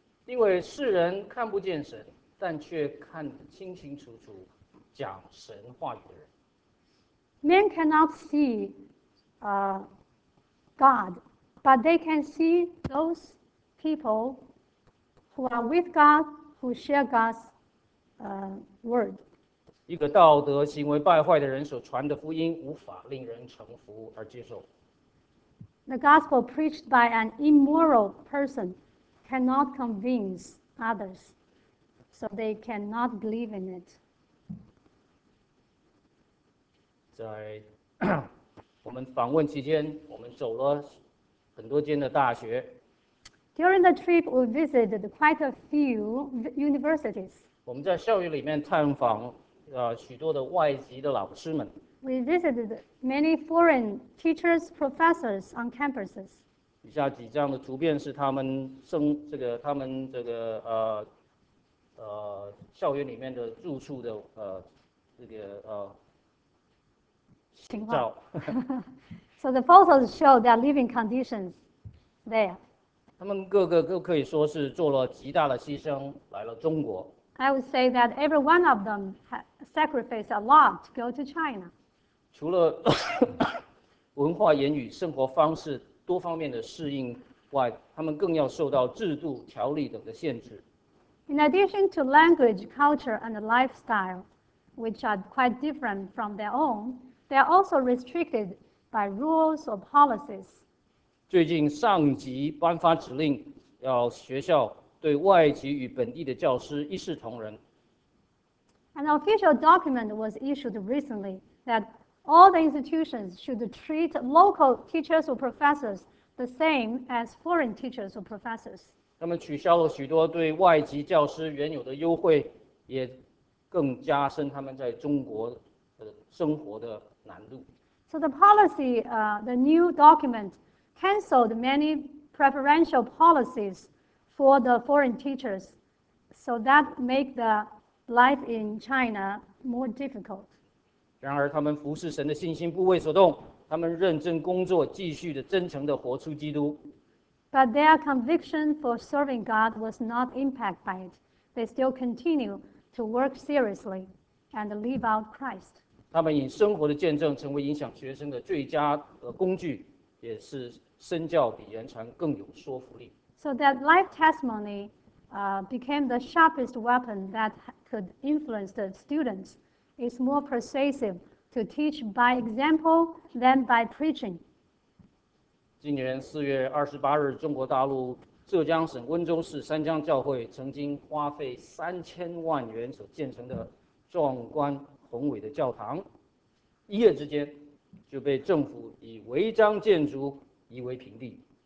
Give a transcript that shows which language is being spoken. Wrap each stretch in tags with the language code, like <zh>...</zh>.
<zh>因为世人看不见神，但却看得清清楚楚讲神话语的人。</zh> <en>Men cannot see God, but they can see those people who are with God, who share God's word.</en> <zh>一个道德行为败坏的人所传的福音无法令人诚服而接受。</zh> <en>The gospel preached by an immoral person cannot convince others, so they cannot believe in it.</en> <zh>在我们访问期间，我们走了很多间的大学。</zh> <en>During the trip, we visited quite a few universities.</en> <zh>我们在校园里面探访许多的外籍的老师们。</zh> <en>We visited many foreign teachers, professors on campuses.</en> <zh>以下几张的图片是他们生这个他们这个校园里面的住宿的这个情况。</zh> <en>So the photos show their living conditions there.</en> <zh>他们个个都可以说是做了极大的牺牲来了中国。</zh> <en>I would say that every one of them sacrificed a lot to go to China.</en> <zh>除了文化、言语、生活方式多方面的适应外，他们更要受到制度、条例等的限制。</zh> <en>In addition to language, culture, and lifestyle, which are quite different from their own, they are also restricted by rules or policies.</en> <zh>最近上级颁发指令，要学校对外籍与本地的教师一视同仁。</zh> <en>An official document was issued recently that all the institutions should treat local teachers or professors the same as foreign teachers or professors.</en> <zh>他们取消了许多对外籍教师原有的优惠，也更加深他们在中国生活的难度。</zh> <en>So the policy, the new document canceled many preferential policies. For the foreign teachers, so that make the life in China more difficult.</en> <zh>然而，他们服侍神的信心不为所动，他们认真工作，继续的真诚的活出基督。</zh> <en>But their conviction for serving God was not impacted by it. They still continue to work seriously and live out Christ.</en> <zh>他们以生活的见证成为影响学生的最佳工具，也是身教比言传更有说服力。</zh> <en>So that life testimony became the sharpest weapon that could influence the students. It's more persuasive to teach by example than by preaching.</en> <zh>今年4月28日，中国大陆浙江省温州市三江教会曾经花费3000万元所建成的壮观宏伟的教堂，一夜之间就被政府以违章建筑夷为平地。</zh>